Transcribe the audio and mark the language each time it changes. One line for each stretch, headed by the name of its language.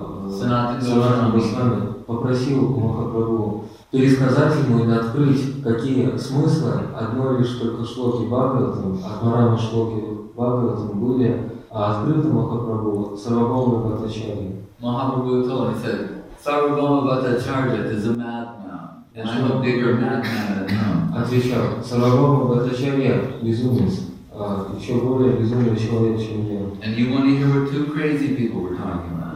Russian: Sanatana Goswami попросил у Махапрабху пересказать ему и открыть, какие смыслы одной лишь только шлоки Бхагаватам, Амарама шлоки Бхагаватам были открыты Махапрабху Сарвабхауме Бхаттачарье.
English: Mahaprabhu told him, he said, Sarvabhauma Bhattacharya is a madman, and I'm a bigger madman than him.
Russian: Sarvabhauma Bhattacharya безумец, еще более безумный человек, чем я.
English: And you want to hear what two crazy people were talking about?